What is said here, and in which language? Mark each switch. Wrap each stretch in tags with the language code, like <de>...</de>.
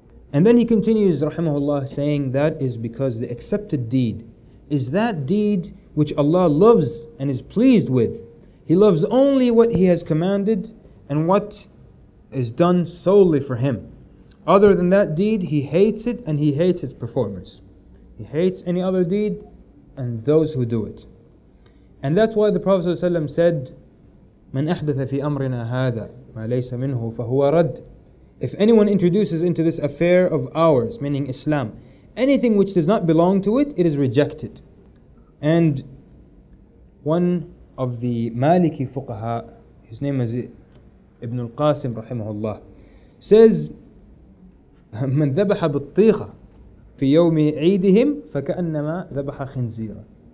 <en>And then he continues, rahimahullah, saying that is because the accepted deed is that deed which Allah loves and is pleased with. He loves only what He has commanded and what is done solely for Him. Other than that deed, he hates it and he hates its performers. He hates any other deed and those who do it. And that's why the Prophet ﷺ said,</en> <ar>مَنْ أَحْدَثَ فِي أَمْرِنَا هَذَا مَا لَيْسَ مِنْهُ فَهُوَ رَدْ.</ar> <en>If anyone introduces into this affair of ours, meaning Islam, anything which does not belong to it, it is rejected. And one of the Maliki fuqaha, his name is Ibn al-Qasim rahimahullah, says,</en> <ar>مَنْ ذَبَحَ بِالطِّيخَ فِي يَوْمِ عِيدِهِمْ فَكَأَنَّمَا ذَبَحَ خِنْزِيرًا.</ar>